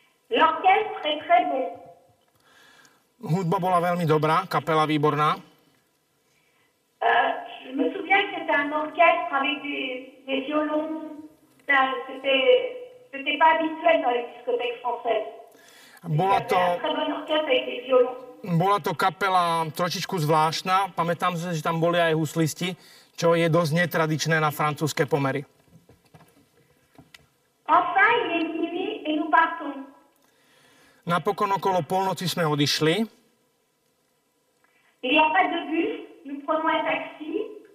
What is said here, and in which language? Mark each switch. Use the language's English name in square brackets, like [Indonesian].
[French] L'orchestre est très bon. [Slovak] Hudba bola veľmi dobrá, kapela výborná. [French] Je me souviens que c'était un orchestre avec des violons. C'était pas habituel dans les discothèques françaises. [Slovak] Bola to [French] très bon orchestre avec des violons. [Slovak] Bola to kapela trošičku zvláštna. Pamätám si, že tam boli aj huslisti, čo je dosť netradičné na francúzske pomery. [French] Enfin, il est minuit et nous partons. [Slovak] Napokon okolo polnoci sme odišli. [French] Il n'y a pas de bus, nous prenons un taxi.